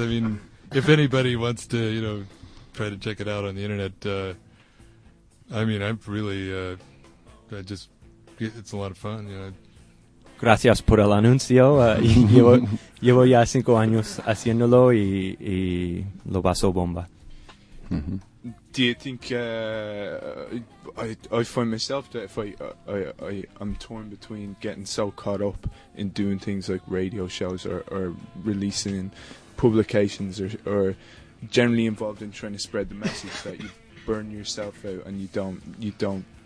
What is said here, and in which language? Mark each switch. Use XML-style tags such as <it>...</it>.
<en>I mean, if anybody wants to, you know, try to check it out on the internet, I mean, I'm really, I just, it's a lot of fun, you know.</en> <es>Gracias por el anuncio. Llevo ya 5 años haciéndolo y lo paso bomba.</es> <en>Do you think I find myself that if I'm torn between getting so caught up in doing things like radio shows or releasing publications or generally involved in trying to spread the message that you burn yourself out and you don't.</en>